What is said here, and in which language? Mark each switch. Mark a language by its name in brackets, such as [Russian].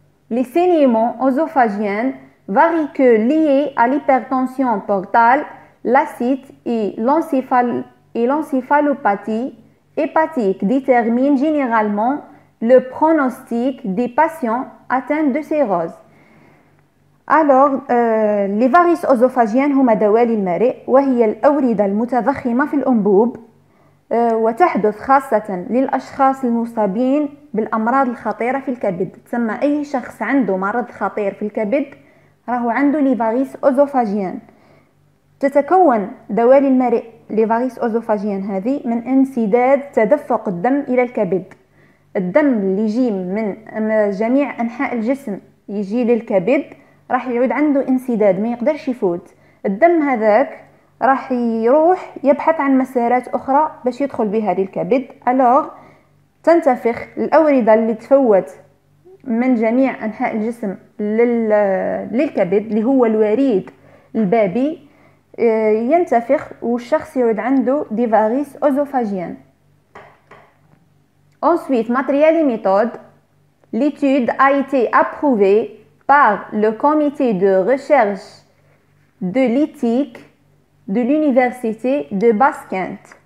[French] Les saignements œsophagiens varicaux liés à l'hypertension portale, l'ascite et l'encéphalopathie hépatique déterminent généralement le pronostic des patients atteints de cirrhose. Alors, les varices œsophagiennes sont des dawali al-mari, [Arabic] وهي الأوردة المتضخمة في الأنبوب وتحدث خاصة للأشخاص المصابين بالأمراض الخطيرة في الكبد. تسمى أي شخص عنده مرض خطير في الكبد راهو عنده لي فاريس أوزوفاجيان. تتكون دوالي المريء لي فاريس أوزوفاجيان هذه من انسداد تدفق الدم إلى الكبد. الدم اللي يجي من جميع انحاء الجسم يجي للكبد راح يعود عنده انسداد ما يقدرش يفوت. الدم هذاك راح يروح يبحث عن مسارات اخرى باش يدخل بها للكبد. الوغ تنتفخ الاورده اللي تفوت من جميع انحاء الجسم للكبد اللي هو الوريد البابي ينتفخ والشخص يعود عنده ديفاريس اوزوفاجيان. [French] Ensuite, matériel et méthode. L'étude a été approuvée par le comité de recherche de l'éthique de l'université de Basse-Kent.